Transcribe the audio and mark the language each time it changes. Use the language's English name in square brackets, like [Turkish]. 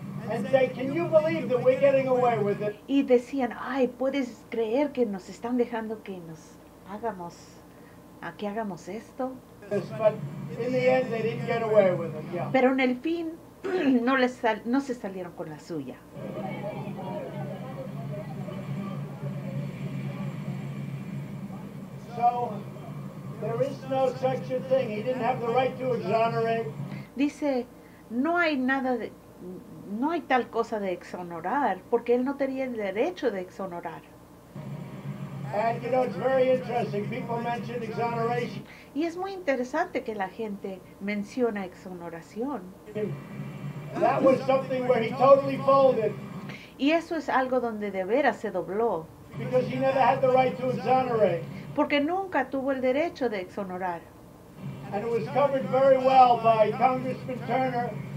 [English] And say, can you believe that we're getting away with it? [Spanish] Y decían, ay, ¿puedes creer que nos están dejando que nos hagamos, a que hagamos esto? [English] Yes, but in the end, they didn't get away with it, yeah. [Spanish] Pero en el fin, no se salieron con la suya. [English] So, there is no such a thing. He didn't have the right to exonerate. [Spanish] Dice, no hay nada de... No hay tal cosa de exonerar, porque él no tenía el derecho de exonerar. [English] And, you know, it's very interesting. People mention exoneration. [Spanish] Y es muy interesante que la gente menciona exoneración. [English] That was something where he totally folded. [Spanish] Y eso es algo donde de veras se dobló. [English] Because he never had the right to exonerate. [Spanish] Porque nunca tuvo el derecho de exonerar. [English] And it was covered very well by Congressman Turner.